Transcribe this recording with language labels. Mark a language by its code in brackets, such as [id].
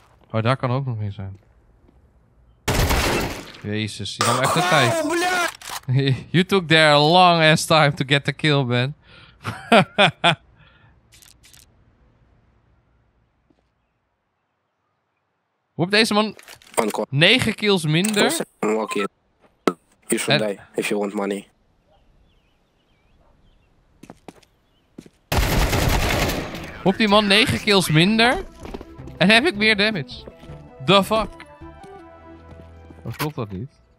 [nl] Oh, daar kan ook nog een zijn. Jezus, je nam echt de tijd. [en] You took there a long ass time to get the kill, man. [nl] Hoe heeft deze man 9 kills minder? [en] Unlucky. You should die if you want money. [nl] Hoeft die man 9 kills minder? En heb ik meer damage? [en] The fuck? [nl] Of klopt dat niet?